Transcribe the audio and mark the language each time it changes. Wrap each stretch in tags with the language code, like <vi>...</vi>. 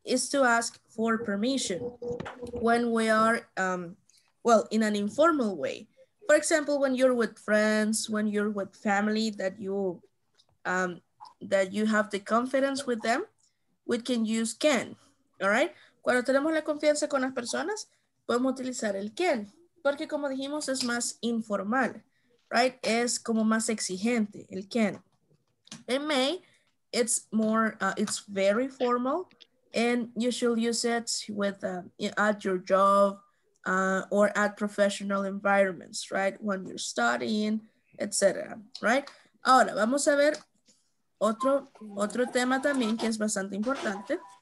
<en>is to ask for permission when we are, in an informal way. For example, when you're with friends, when you're with family that you have the confidence with them, we can use can, all right?</en> <es>Cuando tenemos la confianza con las personas, podemos utilizar el can, porque como dijimos, es más informal, right? Es como más exigente, el can.</es> <en>In May, it's more, it's very formal, and you should use it with at your job or at professional environments, right? When you're studying, etc. Right?</en> <es>Ahora vamos a ver otro tema también que es bastante importante.</es>